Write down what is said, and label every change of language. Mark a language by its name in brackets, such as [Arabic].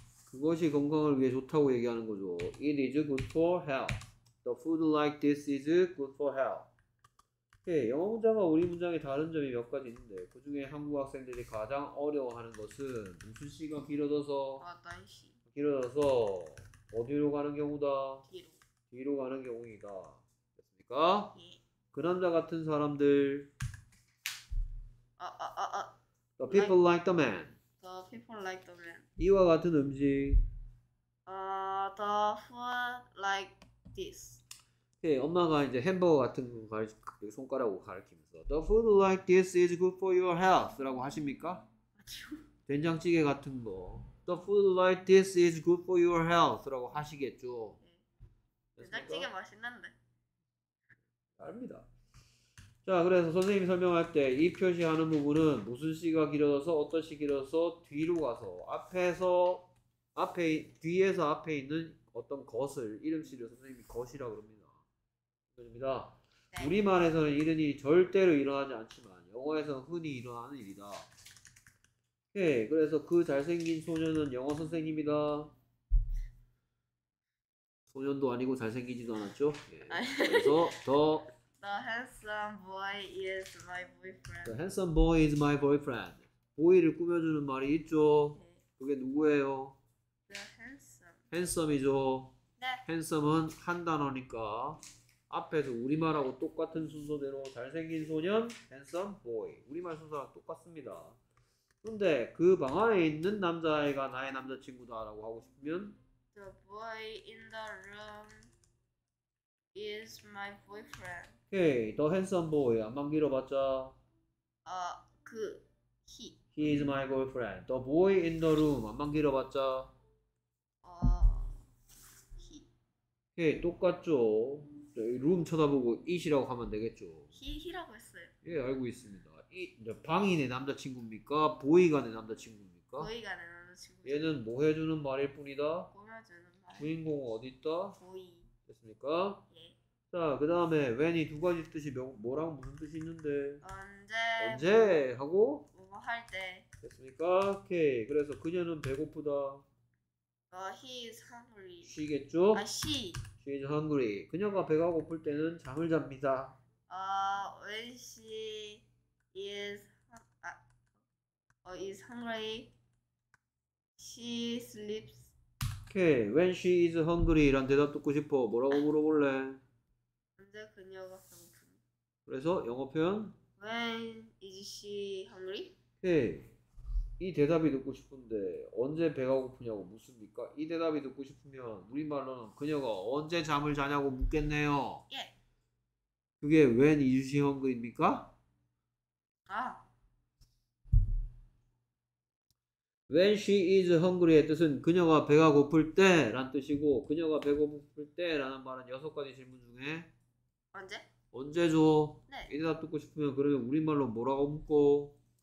[Korean] 그것이 건강을 위해 좋다고 얘기하는 거죠. [English] It is good for health. The food like this is good for health. 오케이. [Korean] 영어 문장과 우리 문장의 다른 점이 몇 가지 있는데, 그 중에 한국 학생들이 가장 어려워하는 것은 무슨 시가 다이시. 길어져서 어디로 가는 경우다? 뒤로. 뒤로 가는 경우이다. 됐습니까? 그 남자 같은 사람들. [English] The Like people like the man. the people like the man. [Korean] 이와 같은 음식. [English] The food like this. [Korean] 오케이, 엄마가 이제 햄버거 같은 거 손가락으로 가리키면서 [English] The food like this is good for your health [Korean] 라고 하십니까? 된장찌개 같은 거 [English] The food like this is good for your health [Korean] 라고 하시겠죠? 된장찌개 됐습니까? 맛있는데. 아닙니다. 자, 그래서 선생님이 설명할 때이 표시하는 부분은 무슨 시가 길어져서 어떤 시 길어져서 뒤로 가서 앞에서 앞에 뒤에서 앞에 있는 어떤 것을 이름씨를 선생님이 것이라고 그럽니다. 그렇습니다. 우리말에서는 이런 일이 절대로 일어나지 않지만 영어에서는 흔히 일어나는 일이다. 오케이, 그래서 그 잘생긴 소년은 영어 선생님이다. 소년도 아니고 잘생기지도 않았죠? 예. 그래서 더 [English] The handsome boy is my boyfriend. The handsome boy is my boyfriend. [Korean] 보이를 꾸며주는 말이 있죠. 그게 누구예요? Handsome이죠. Handsome은 한 단어니까 앞에서 우리말하고 똑같은 순서대로 잘생긴 소년, [English] handsome boy. [Korean] 우리말 순서랑 똑같습니다. 그런데 그방 안에 있는 남자아이가 나의 남자친구다라고 하고 싶으면 [English] The boy in the room is my boyfriend. 오케이, okay. The handsome boy. [Korean] 안만 길어봤자. [English] He. He is my girlfriend. The boy in the room. [Korean] 안만 길어봤자. [English] Okay. [Korean] 똑같죠. 룸 쳐다보고 it이라고 하면 되겠죠. 히라고 했어요. 예, 알고 있습니다. It, 방이 내 남자친구입니까? 보이가 내 남자친구입니까? 보이가 내 남자친구죠. 얘는 뭐 해주는 말일 뿐이다. 보여주는 말. 주인공은 어딨다? 보이. 됐습니까? 자, 그 다음에 when이 두 가지 뜻이 뭐랑 무슨 뜻이 있는데 언제 언제 하고 뭐할때 됐습니까? 오케이. 그래서 그녀는 배고프다. [English] he is hungry. I [Korean] 쉬겠죠? [English] see. She is hungry. [Korean] 그녀가 배가 고플 때는 잠을 잡니다. [English] when she is hungry, she sleeps. 오케이. When she is hungry [Korean] 이란 대답 듣고 싶어. 뭐라고 물어볼래? 언제 그녀가 배고픈? 그래서 영어 표현? [English] When is she hungry? 오케이. [Korean] 이 대답이 듣고 싶은데 언제 배가 고프냐고 묻습니까? 이 대답이 듣고 싶으면 우리말로는 그녀가 언제 잠을 자냐고 묻겠네요. 예. 그게 [English] When is she hungry [Korean] 입니까? 아. [English] When she is hungry [Korean] 의 뜻은 그녀가 배가 고플 때 라는 뜻이고 그녀가 배고플 때 라는 말은 여섯 가지 질문 중에 언제? 언제죠? 네. 이 대답 듣고 싶으면 그러면 우리말로 뭐라고 묻고?